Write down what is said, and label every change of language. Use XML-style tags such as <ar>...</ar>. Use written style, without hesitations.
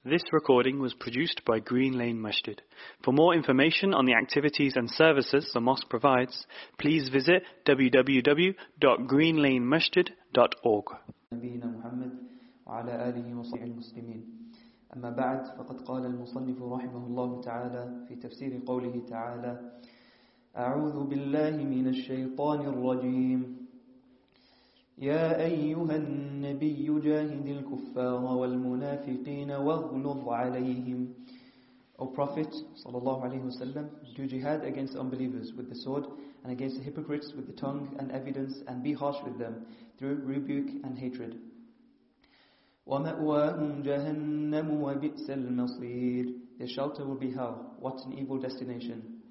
<en>This recording was produced by Green Lane Masjid. For more information on the activities and services the mosque provides, please visit www.greenlanemasjid.org.</en> <ar>نبينا محمد وعلى آله وصحبه المسلمين. أما بعد، فقد قال المصنف رحمه الله تعالى في تفسير قوله تعالى: أعوذ بالله من الشيطان الرجيم. يا أيها النبي جاهد الكفار والمنافقين واغلظ عليهم.</ar> <en>O Prophet</en> <ar>صلى الله عليه وسلم,</ar> <en>do jihad against unbelievers with the sword and against the hypocrites with the tongue and evidence, and be harsh with them through rebuke and hatred.</en> <ar>ومأواهم جهنم وبئس المصير.</ar> <en>Their shelter will be hell. What an evil destination.</en>